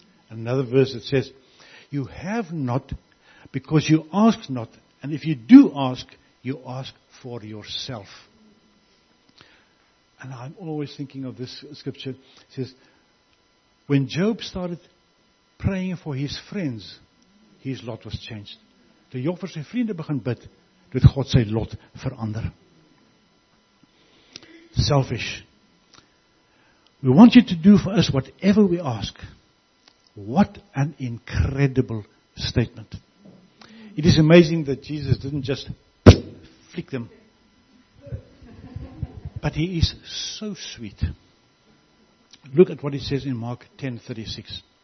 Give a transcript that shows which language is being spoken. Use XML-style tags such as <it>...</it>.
<en>Another verse that says, you have not because you ask not. And if you do ask, you ask for yourself. And I'm always thinking of this scripture. It says, when Job started praying for his friends, his lot was changed.</en> <af>Toe Job vir sy vriende begin bid, het God sy lot verander.</af> <en>Selfish. We want you to do for us whatever we ask. What an incredible statement. It is amazing that Jesus didn't just flick them. But he is so sweet. Look at what he says in Mark 10:36.</en>